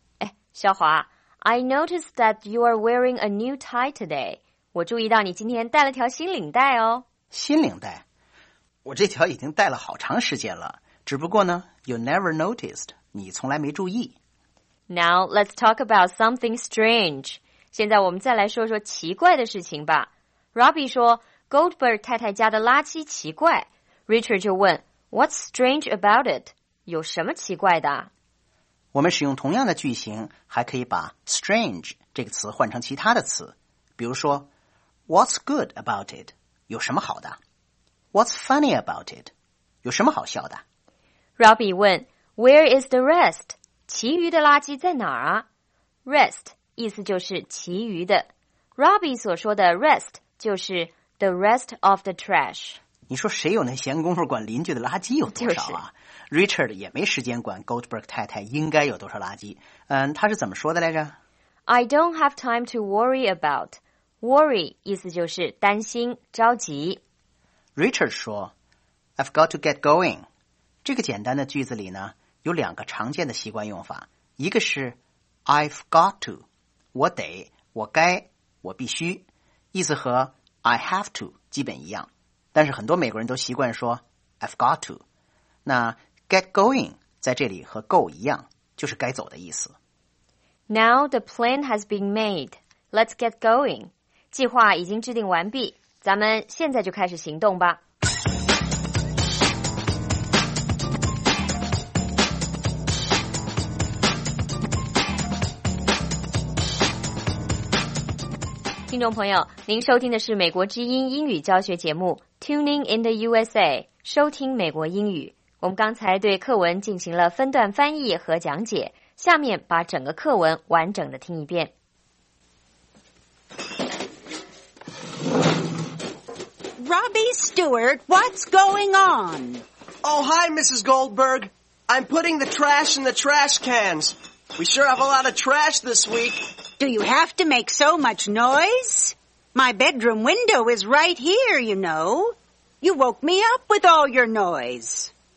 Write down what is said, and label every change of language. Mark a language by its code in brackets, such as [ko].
[zh] 哎， [en] 肖华， I noticed that you are wearing a new tie today. [zh] 我注意到你今天戴了条新领带哦。新领带？我这条已经戴了好长时间了，只不过呢， [en] you never noticed, [zh] 你从来没注意。 [en] Now, let's talk about something strange. [zh] 现在我们再来说说奇怪的事情吧。Robbie 说 Goldberg 太太家的垃圾奇怪。 Richard 就问 [en] What's strange about it? [zh] 有什么奇怪的？我们使用同样的句型，还可以把 strange 这个词换成其他的词。比如说 [en] What's good about it? [zh] 有什么好的？ [en] What's funny about it? [zh] 有什么好笑的？ Robbie 问 [en] Where is the rest? [zh] 其余的垃圾在哪儿啊？ Rest 意思就是其余的。 Robbie 所说的 rest 就是 [en] the rest of the trash。 [zh] 你说谁有那闲工夫管邻居的垃圾有多少啊？就是， Richard 也没时间管 Goldberg 太太应该有多少垃圾。嗯，他是怎么说的来着？ [en] I don't have time to worry about. [zh] Worry 意思就是担心着急。 Richard 说 [en] I've got to get going. [zh] 这个简单的句子里呢有两个常见的习惯用法，一个是 [en] I've got to， [zh] 我得，我该，我必须，意思和 [en] I have to [zh] 基本一样，但是很多美国人都习惯说 [en] I've got to。 [zh] 那 get going 在这里和 go 一样，就是该走的意思。 [en] Now the plan has been made. Let's get going. [zh] 计划已经制定完毕，咱们现在就开始行动吧。听众朋友，您收听的是美国之音英语教学节目 Tuning in the USA， 收听美国英语。我们刚才对课文进行了分段翻译和讲解，下面把整个课文完整的听一遍。 [en] Robbie Stewart, what's going on? Oh, hi, Mrs. Goldberg. I'm putting the trash in the trash cans. We sure have a lot of trash this week. Do you have to make so much noise? My bedroom window is right here, you know. You woke me up with all your noise.